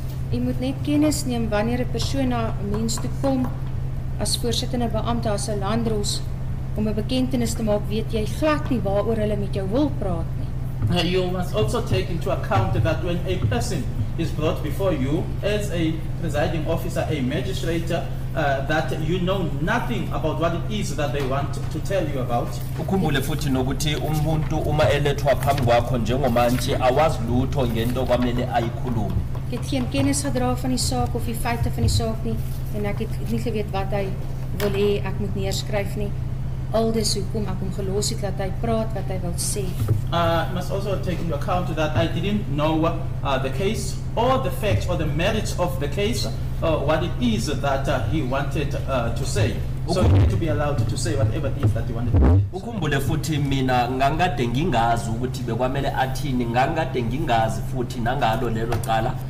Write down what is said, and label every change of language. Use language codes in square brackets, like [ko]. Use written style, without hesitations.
[af] Hy moet net kennis neem wanneer 'n persoon na mens toe kom as voorsittende beampte as 'n landros om 'n bekentenis te maak, weet jy glad nie waaroor hulle met jou wil praat nie. [en] You must also take into account that when a person is brought before you as a presiding officer, a magistrate, that you know nothing about what it is that they want to tell you about. [zu] Ukhumbule futhi nokuthi umuntu uma elethwa phambi kwakho njengomantshi awazi lutho ngento kwamele ayikhulume. [af] Ek het geen kennis gedra van die saak of die feite van die saak nie en ek het nie geweet wat hy wil hê ek moet neerskryf nie. Al dis hoekom ek hom gelos het dat hy praat wat hy wil sê. [en] Must also take into account that I didn't know the case or the facts or the merits of the case or what it is that he wanted to say. So he had to be allowed to say whatever it is that he wanted to say. [zu] Ukhumbule futhi mina ngangade ngingazi ukuthi bekwamele athini, ngangade ngingazi futhi nangalo lelo cala.